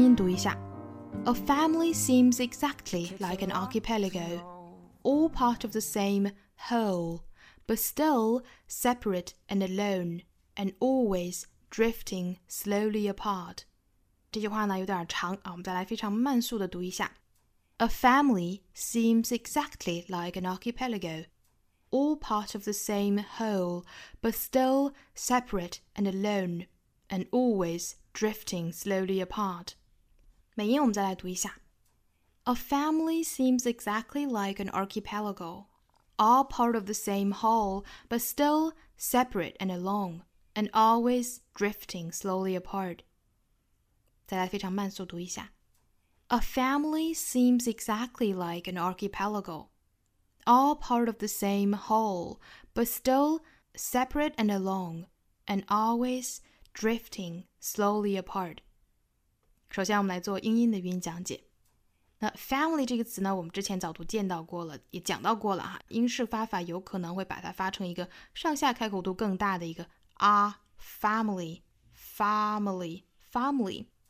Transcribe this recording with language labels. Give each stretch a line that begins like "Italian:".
English: A family seems exactly like an archipelago, all part of the same whole, but still separate and alone, and always drifting slowly apart.
Chinese: 这句话呢有点长、啊、我们再来非常慢速的读一下。
English: A family seems exactly like an archipelago, all part of the same whole, but still separate and alone, and always drifting slowly apart.
Chinese: 美音我们再来读一下。
English: A family seems exactly like an archipelago, all part of the same whole, but still separate and alone, and always drifting slowly apart.
Chinese: 再来非常慢速读一下。
English: A family seems exactly like an archipelago, all part of the same whole, but still separate and alone, and always drifting slowly apart.
Chinese: 首先我们来做英音的语音讲解。那 family 这个词呢，我们之前早读见到过了，也讲到过了哈。英式发法有可能会把它发成一个上下开口度更大的一个 a family, family, family。